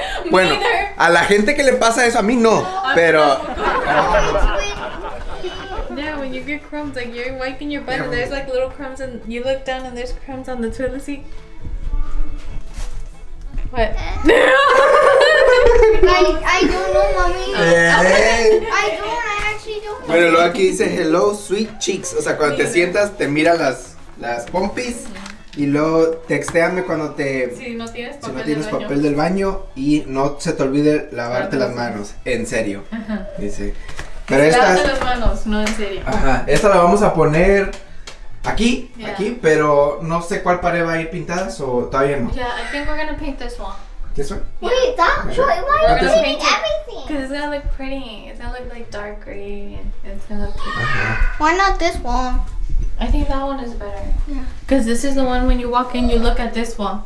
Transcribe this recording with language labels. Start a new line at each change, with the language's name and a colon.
Spanish: Bueno, a la gente que le pasa eso, a mí no, pero...
English: Yeah, when you get crumbs, like you're wiping your butt and there's like little crumbs and you look down and there's crumbs on the toilet seat. What? I don't know, mommy. I don't, I actually don't.
Spanish: Bueno, luego aquí dice
English: hello sweet cheeks,
Spanish: o sea, cuando te sientas te mira las pompis. Y luego textéame cuando te... Si no tienes papel del baño. Y no se te olvide lavarte las manos. En serio. Ajá. Dice. Pero lavarte las manos, no en serio. Ajá. Esta la vamos a poner aquí. Yeah. Aquí, pero no sé cuál pared va a ir pintada o todavía no.
English: Yeah, I think we're gonna paint this wall. This one? Wait, that one? Why are you painting everything? Because it's gonna look pretty. It's gonna look like dark green. It's gonna look pretty. Why not this one? I think that one is better. Yeah. Because this is the one when you walk in, you look at this wall.